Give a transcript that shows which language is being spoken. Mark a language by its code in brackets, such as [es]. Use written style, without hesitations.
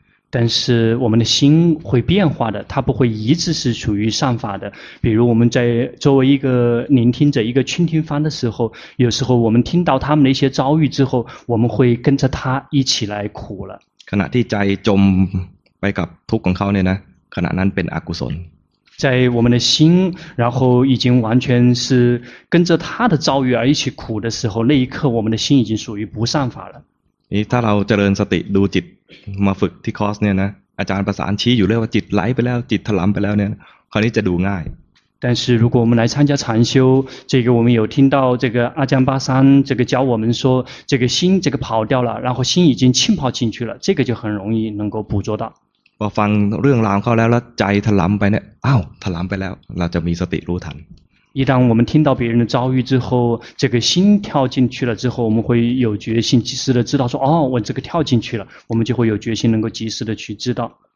[zh] 但是我们的心会变化的，它不会一直是处于善法的。比如我们在作为一个聆听者、一个倾听方的时候，有时候我们听到他们的一些遭遇之后，我们会跟着他一起来苦了。 [th] ขณะที่ใจจมไปกับทุกข์ของเขาเนี่ยนะขณะนั้นเป็นอกุศล [zh] 在我们的心，然后已经完全是跟着他的遭遇而一起苦的时候，那一刻我们的心已经属于不善法了。 [th] นี่ถ้าเราเจริญสติดูจิตมาฝึกที่คอร์สเนี่ยนะอาจารย์ประสานชี้อยู่เรื่อยว่าจิตไหลไปแล้วจิตถลำไปแล้วเนี่ยคราวนี้จะดูง่าย [zh] 但是如果我们来参加禅修，这个我们有听到这个阿姜巴桑这个教我们说，这个心这个跑掉了，然后心已经浸泡进去了，这个就很容易能够捕捉到。 [th] พอฟังเรื่องราวเข้าแล้วแล้วใจถลำไปเนี่ยอ้าวถลำไปแล้วเราจะมีสติรู้ทัน [zh] 一旦我们听到别人的遭遇之后，这个心跳进去了之后，我们会有决心及时的知道说，哦，我这个跳进去了，我们就会有决心能够及时的去知道。